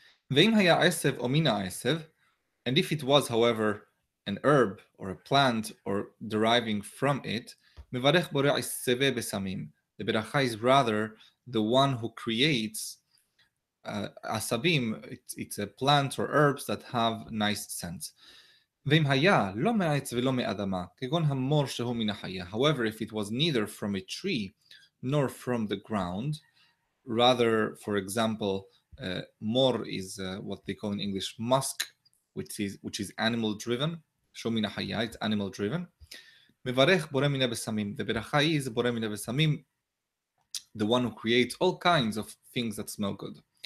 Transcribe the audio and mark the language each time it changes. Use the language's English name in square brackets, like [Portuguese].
[Hebrew] Ve'im haya esev o mina esev, [English] and if it was, however, an herb or a plant or deriving from it, [Hebrew] mevarech borei esev besamim. [English] The beracha is rather the one who creates asabim, it's a plant or herbs that have nice scents. [Hebrew] ואם היה לא מעץ ולא מאדמה, כגון המור שהוא מן החיה. [English] However, if it was neither from a tree nor from the ground, rather, for example, mor is what they call in English musk, which is animal driven, [Hebrew] שהוא מן החיה, [English] it's animal driven. [Hebrew] מברך בורא מן הבשמים, וברכה היא זה בורא מן הבשמים, [English] the one who creates all kinds of things that smell good.